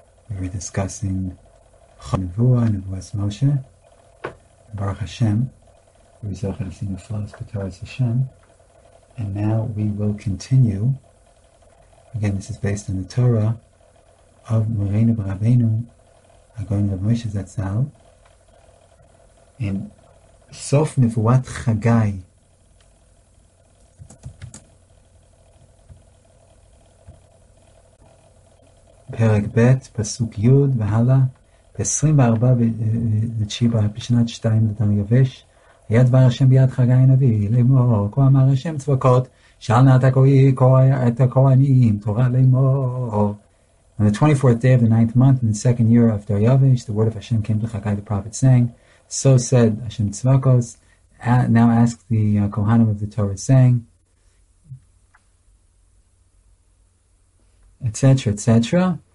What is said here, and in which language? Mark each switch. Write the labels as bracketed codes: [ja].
[en] We were discussing Chanevuah, Nevuas Moshe. And Baruch Hashem, we were zochah to see Neflos Ketoras Hashem. And now we will continue. Again, this is based on the Torah of Moreinu B'Rabbeinu, Hagaon Rav Moshe Zatzal. [he] In Sof Nevuat Chagai, פרק ב', פסוק י' והלאה, ב-24 ב-9 בשנת 2 לתן יבש, היה דבר השם ביד חגי הנביא, לאמור, כה אמר השם צבקות, שאל נא את הכהנים, תורה לאמור. [en] On the 24th day of the 9th month, in the 2nd year of Dar Yavish, the word of Hashem came to Chagai the prophet, saying, So said Hashem Tzvakos, now ask the Kohanim of the Torah, saying, etc., etc.